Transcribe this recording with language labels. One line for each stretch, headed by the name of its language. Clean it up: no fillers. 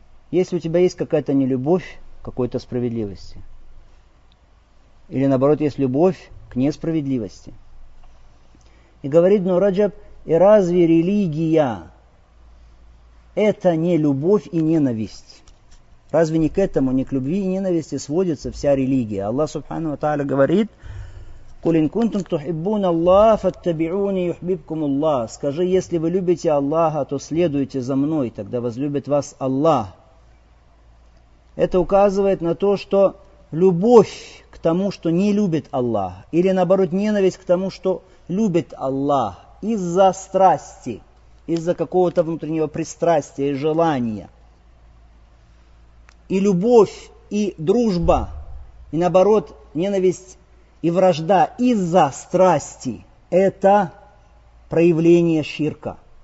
Russian: Если у тебя есть какая-то нелюбовь к какой-то справедливости, или наоборот есть любовь к несправедливости. И говорит Ибн Раджаб, и разве религия это не любовь и ненависть? Разве не к этому, не к любви и ненависти сводится вся религия?
Arabic: Аллах Субхану ва Тааля
Russian: говорит,
Arabic: قُلْ إِنْ كُنْتُمْ تُحِبُّونَ اللَّهَ فَاتَّبِعُونِي يُحْبِبْكُمُ اللَّهَ.
Russian: Скажи, если вы любите Аллаха, то следуйте за мной, тогда возлюбит вас Аллах. Это указывает на то, что любовь к тому, что не любит Аллах, или наоборот ненависть к тому, что любит Аллах, из-за страсти, из-за какого-то внутреннего пристрастия и желания, и любовь, и дружба, и наоборот ненависть и вражда из-за страсти – это проявление ширка.